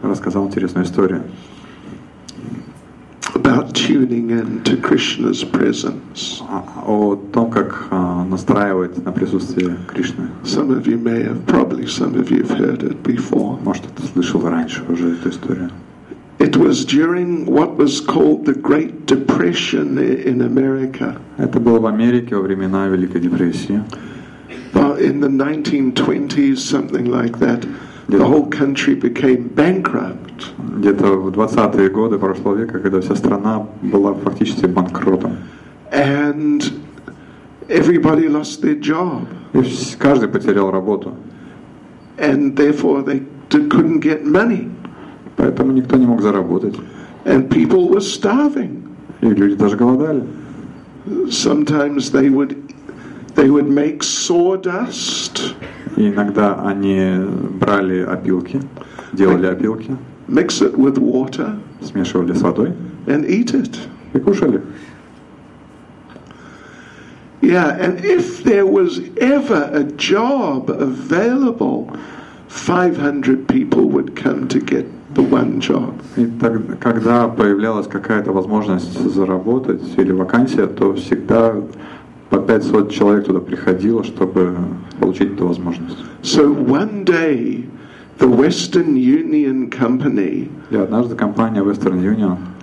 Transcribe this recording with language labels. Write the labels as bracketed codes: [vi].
[ru] Рассказал интересную историю. [en] About tuning in to Krishna's presence. [ru] О том, как настраивать на присутствие Кришны. [en] Some of you may have, probably some of you have heard it before. [ru] Может, ты слышал раньше уже эту историю. [en] It was during what was called the Great Depression in America. [ru] Это было в Америке во времена Великой депрессии. [en] In the 1920s, something like that. The whole country became bankrupt. [ru] Где-то в 20-е годы прошлого века, когда вся страна была фактически банкротом. [en] And everybody lost their job. [ru] И каждый потерял работу. [en] And therefore they couldn't get money. [ru] Поэтому никто не мог заработать. [en] And people were starving. [ru] И люди даже голодали. [en] Sometimes they would make sawdust. [ru] И иногда они брали опилки, делали опилки, [en] mix it with water, [ru] смешивали с водой, [en] and eat it. [ru] И кушали. [en] Yeah, and if there was ever a job available, 500 people would come to get the one job. [ru] И тогда, когда появлялась какая-то возможность заработать или вакансия, то всегда по 500 человек туда приходило, чтобы получить эту возможность. [en] So one day, the Western Union company, [ru] и однажды компания Western Union,